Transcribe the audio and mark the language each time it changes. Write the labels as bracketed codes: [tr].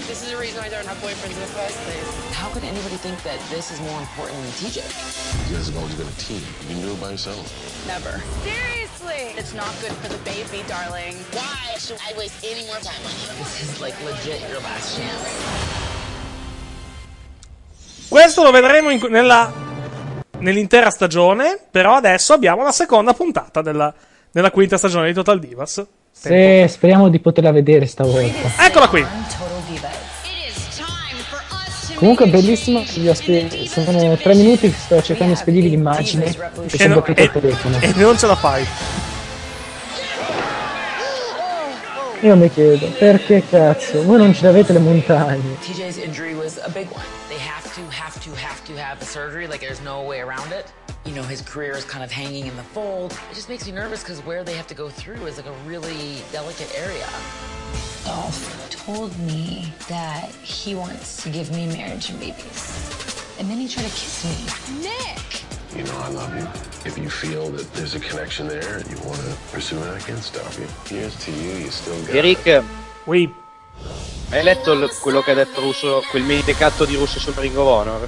[en] This is the reason I don't have boyfriends in the first place. How could anybody think that this is more important than TJ? You guys have always been a team. You can do it by yourself. Never. Seriously? It's not good for the baby, darling. Why should I waste any more time on you? This is like legit your last chance. [it] Questo lo vedremo nell'intera stagione, però adesso abbiamo la seconda puntata della quinta stagione di Total Divas. Sì, speriamo di poterla vedere stavolta. Eccola qui. Comunque bellissima, sono 3 minuti che sto cercando di spedirvi l'immagine e sono bloccato il telefono. E non ce la fai. Io mi chiedo, perché cazzo? Voi non ce l'avete le montagne. [en] TJ's injury was a big one. They have to have a surgery, like there's no way around it. You know, his career is kind of hanging in the fold. It just makes me nervous because where they have to go through is like a really delicate area. Dolph told me that he wants to give me marriage and babies. And then he tried to kiss me. Nick! You know, I love you. If you feel that there's a connection there and you want to pursue it, I can't stop you. Here's to you, you still got Eric. It. [fr] Oui. [it] Hai letto quello che ha detto Russo, quel medicato di Russo sul Ring of Honor?